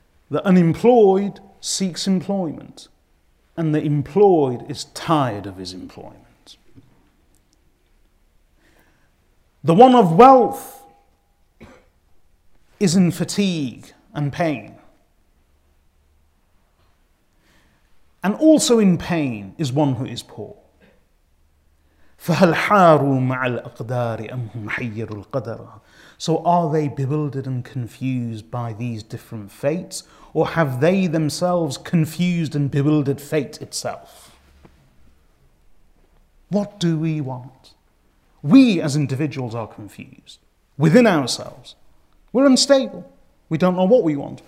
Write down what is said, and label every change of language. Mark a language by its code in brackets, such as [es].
[en] The unemployed seeks employment, and the employed is tired of his employment. The one of wealth is in fatigue and pain. And also in pain is one who is poor. [ar] فهل حاروا مع الأقدار أم هم حيروا القدر. [en] So are they bewildered and confused by these different fates, or have they themselves confused and bewildered fate itself? What do we want? We as individuals are confused within ourselves. We're unstable. We don't know what we want.